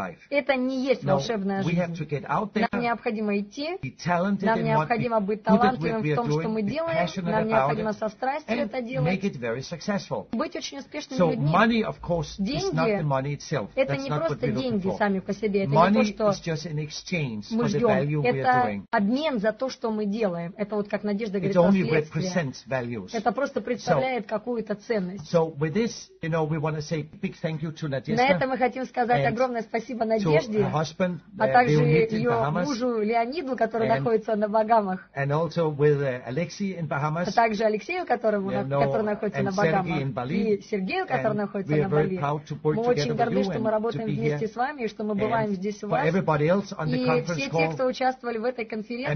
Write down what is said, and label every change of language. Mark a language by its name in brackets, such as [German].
[Russian] Это не есть волшебная жизнь. Нам необходимо идти, нам необходимо быть талантливым в том, что мы делаем, нам необходимо со страстью это делать, быть очень успешными людьми. Деньги – это не просто деньги сами по себе, это не то, что мы ждем. Это обмен за то, что мы делаем. Это вот как Надежда говорит, последствия. Это просто представляет какую-то ценность. [English] So with this, you know, we want to say big thank you to Nadezhda. [Russian] На этом мы хотим сказать огромное спасибо Надежде, [English] to her husband, [Russian] а также ее мужу Леониду, который находится на Багамах, [English] and also with Alexey in Bahamas, [Russian] а также Алексею, который находится на Багамах, [English] Bali, [Russian] и Сергею, который находится на Бали. Мы очень горды, что мы работаем вместе с вами, и что мы бываем здесь у вас. И все те, кто участвовали в этой конференции,